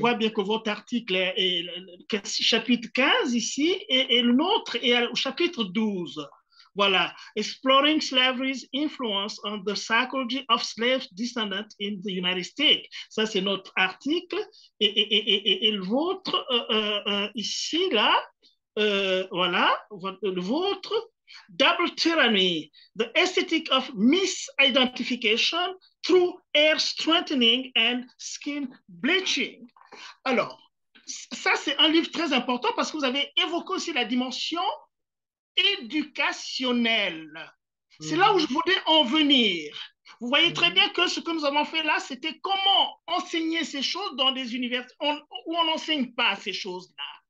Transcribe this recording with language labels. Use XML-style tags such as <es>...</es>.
<fr>vois bien que votre article est chapitre 15 ici et le nôtre est au chapitre 12. Voilà.</fr> <en>Exploring Slavery's Influence on the Psychology of Slave Descendants in the United States.</en> <fr>Ça, c'est notre article. Et le vôtre, ici, là, voilà, le vôtre.</fr> <en>Double tyranny, the aesthetic of misidentification through hair straightening and skin bleaching.</en> <fr>Alors, ça c'est un livre très important parce que vous avez évoqué aussi la dimension éducationnelle. C'est là où je voulais en venir. Vous voyez très bien que ce que nous avons fait là, c'était comment enseigner ces choses dans des universités où on n'enseigne pas ces choses-là.</fr>